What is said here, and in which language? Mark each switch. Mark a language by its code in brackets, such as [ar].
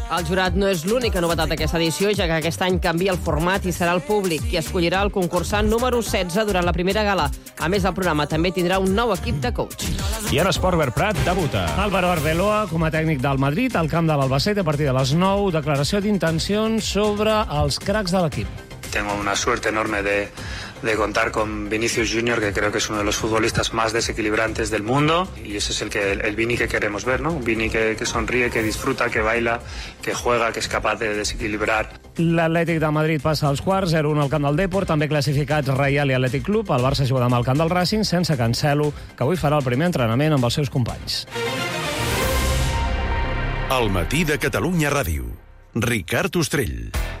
[ca] El jurat no és l'única novetat d'aquesta edició, ja que aquest any canvia el format i serà el públic qui escollirà el concursant número 16 durant la primera gala. A més, el programa també tindrà un nou equip de coach. I en esport, Ver Prat debuta. Álvaro Arbeloa, com a tècnic del Madrid, al camp de l'Albacete a partir de les 9, declaració d'intencions sobre els cracs de l'equip. [es] Tengo una suerte enorme de contar con Vinicius Junior, que creo que es uno de los futbolistas más desequilibrantes del mundo, y ese es el Vini que queremos ver, ¿no? Un Vini que sonríe, que disfruta, que baila, que juega, que es capaz de desequilibrar. [ca] L'Atlètic de Madrid passa als quarts, 0-1 al camp del Depor, també classificats Reial i Atlètic Club. El Barça juga demà al camp del Racing, sense Cancelo, que avui farà el primer entrenament amb els seus companys. El matí de Catalunya Ràdio. Ricard Ostrell.